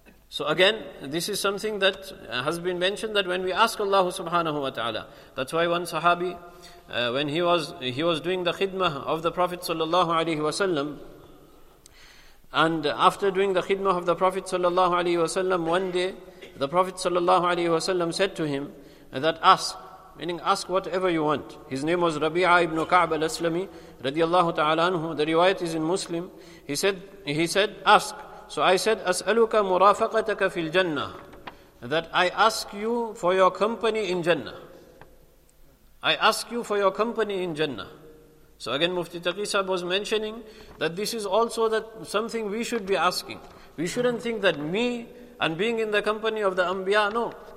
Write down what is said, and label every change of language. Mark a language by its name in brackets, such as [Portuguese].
[English] So again, this is something that has been mentioned, that when we ask Allah subhanahu wa ta'ala, that's why one sahabi, when he was doing the khidmah of the Prophet sallallahu alayhi wa sallam, and after doing the khidmah of the Prophet sallallahu alayhi wa sallam, one day the Prophet sallallahu alayhi wa sallam said to him that ask, meaning ask whatever you want. His name was Rabi'a ibn Ka'b al-Aslami radiallahu ta'ala anhu. The riwayat is in Muslim. He said ask. [Arabic] So I said, أَسْأَلُكَ مُرَافَقَتَكَ فِي الْجَنَّةِ. [English] That I ask you for your company in Jannah. I ask you for your company in Jannah. So again, Mufti Taqi Sahib was mentioning that this is also that something we should be asking. We shouldn't think that me and being in the company of the Anbiya, no.